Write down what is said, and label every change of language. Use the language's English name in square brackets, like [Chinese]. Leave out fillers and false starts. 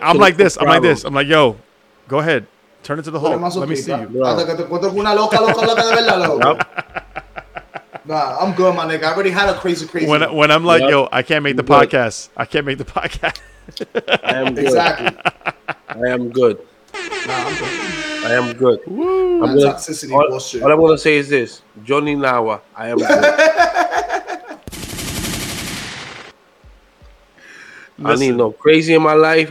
[English] I'm like this. I'm like, yo, go ahead. Turn it to the hole. Let me see you. [Spanish] Hasta que te encuentres con una loca de verdad, loco. [English] Nah, I'm good, my nigga. I already had a crazy. When I'm like, yep. Yo, I can't make the podcast. I can't make the podcast. I am good. Exactly. I am good. Nah, I'm good. I am good. Woo. Toxicity, all I want to say is this. Johnny Nawa, I am good. I need no crazy in my life.